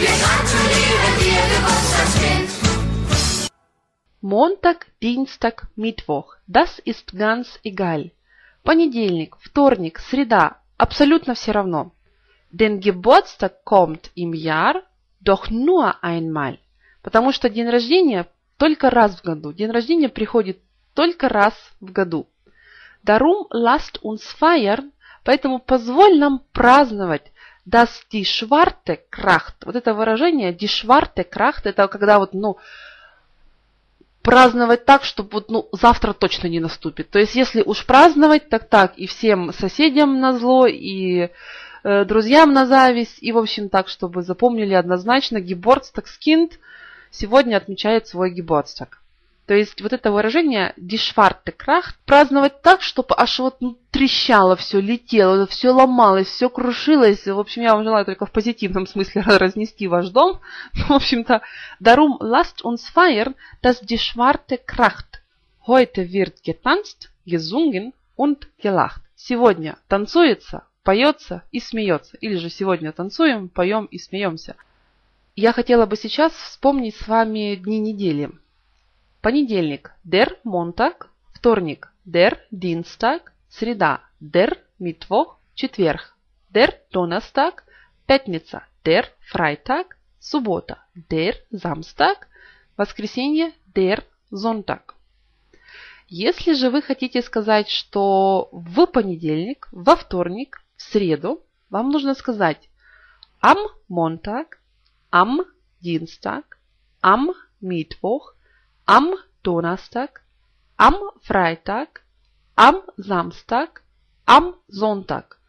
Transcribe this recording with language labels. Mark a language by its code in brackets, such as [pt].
[de] Wir gratulieren dir, Geburtstagskind. Montag, Dienstag, Mittwoch. Das ist ganz egal. [ru] Понедельник, вторник, среда. Абсолютно все равно. [de] Denn Geburtstag kommt im Jahr doch nur einmal. [ru] Потому что день рождения только раз в году. День рождения приходит только раз в году. [de] Darum lasst uns feiern. [ru] Поэтому позволь нам праздновать. [de] Das die schwarze Kracht. [ru] Вот это выражение [de] die schwarze Kracht. [ru] Это когда вот, ну, праздновать так, чтобы вот, ну, завтра точно не наступит. То есть, если уж праздновать, так так, и всем соседям на зло, и друзьям на зависть, и, в общем, так, чтобы запомнили однозначно, Geburtstagskind сегодня отмечает свой Geburtstag. То есть, вот это выражение, [de] die schwarze Kracht, [ru] праздновать так, чтобы аж вот, ну, трещало все, летело, все ломалось, все крушилось. В общем, я вам желаю только в позитивном смысле разнести ваш дом. В общем-то, [de] darum lasst uns feiern, dass die schwarze Kracht heute wird getanzt, gesungen und gelacht. [ru] Сегодня танцуется, поется и смеется. Или же сегодня танцуем, поем и смеемся. Я хотела бы сейчас вспомнить с вами дни недели. Понедельник – der Montag, вторник – der Dienstag, среда – der Mittwoch, четверг – der Donnerstag, пятница – der Freitag, суббота – der Samstag, воскресенье – der Sonntag. Если же вы хотите сказать, что в понедельник, во вторник, в среду, вам нужно сказать [de] am Montag, am Dienstag, am Mittwoch, am Donnerstag, am Freitag, am Samstag, am Sonntag.